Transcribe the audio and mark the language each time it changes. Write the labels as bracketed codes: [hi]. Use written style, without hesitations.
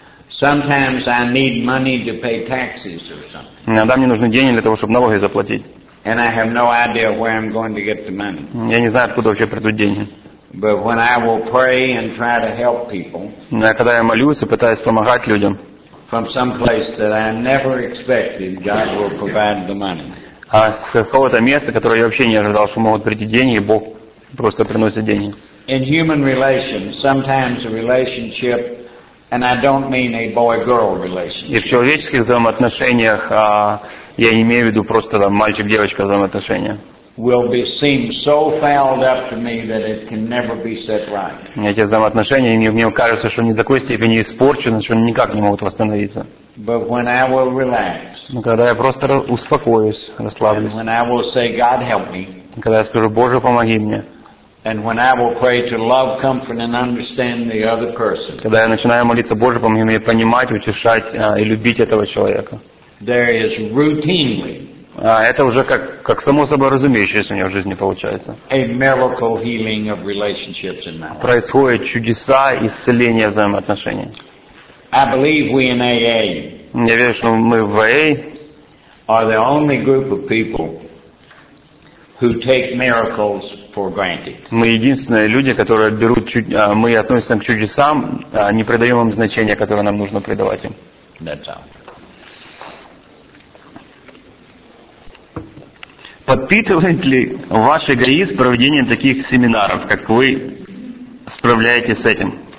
[en] Sometimes I need money to pay taxes or something. [ru] Иногда мне нужны деньги для того, чтобы налоги заплатить. [en] And I have no idea where I'm going to get the money. [ru] Я не знаю, откуда вообще придут деньги. [en] But when I will pray and try to help people. [ru] Но когда я молюсь и пытаюсь помогать людям. [en] From some place that I never expected, God will provide the money. [ru] А с какого-то места, которое я вообще не ожидал, что могут прийти деньги, Бог просто приносит деньги. [en] In human relations, sometimes a relationship, and I don't mean a boy-girl relationship. [ru] И в человеческих взаимоотношениях, я имею в виду просто там мальчик-девочка взаимоотношения. [en] Will be seem so fouled up to me that it can never be set right. [ru] Эти взаимоотношения, мне кажется, что они до такой степени испорчены, что они никак не могут восстановиться. [en] But when I will relax. [ru] Когда я просто успокоюсь, расслаблюсь. [en] And when I will say, God help me. [ru] Когда я скажу, Боже, помоги мне. [en] And when I will pray to love, comfort, and understand the other person. [ru] Когда я начинаю молиться, Боже, помоги мне понимать, утешать и любить этого человека. [en] There is routinely. [ru] А это уже как само собой разумеющееся у меня в жизни получается. [en] A miracle healing of relationships in my life. [ru] Происходят чудеса исцеления взаимоотношений. [en] I believe we in AA. [ru] Я верю, что мы в АА. [en] Are the only group of people who take miracles for granted. [ru] Мы единственные люди, которые берут мы относимся к чудесам, не придаем им значения, которое нам нужно придавать им. [en] That's all. [ru] Подпитывает ли ваш эгоизм проведение таких семинаров, как вы справляетесь с этим?